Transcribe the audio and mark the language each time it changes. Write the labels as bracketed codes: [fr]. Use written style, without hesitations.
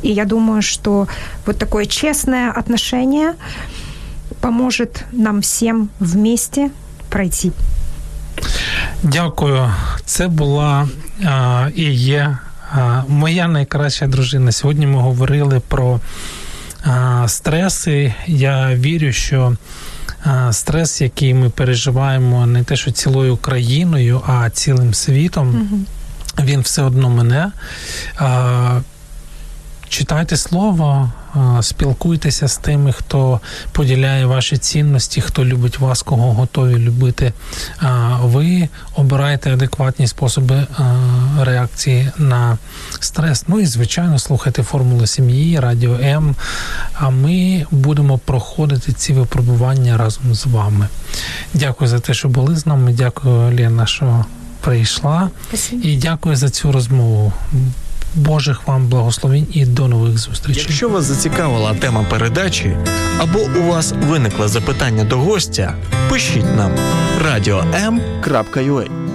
[ru] И я думаю, что вот такое честное отношение поможет нам всем вместе пройти. [uk] Дякую. Це була і є моя найкраща дружина. Сьогодні ми говорили про стреси. Я вірю, що стрес, який ми переживаємо не те, що цілою країною, а цілим світом, він все одно мене. Читайте слово, спілкуйтеся з тими, хто поділяє ваші цінності, хто любить вас, кого готові любити. Ви обираєте адекватні способи реакції на стрес. Ну і, звичайно, слухайте «Формулу сім'ї», «Радіо М», а ми будемо проходити ці випробування разом з вами. Дякую за те, що були з нами. Дякую, Олена, що прийшла. [ru] Спасибо. [uk] І дякую за цю розмову. Божих вам благословень і до нових зустрічей. Якщо вас зацікавила тема передачі або у вас виникло запитання до гостя, пишіть нам radio.m.ua.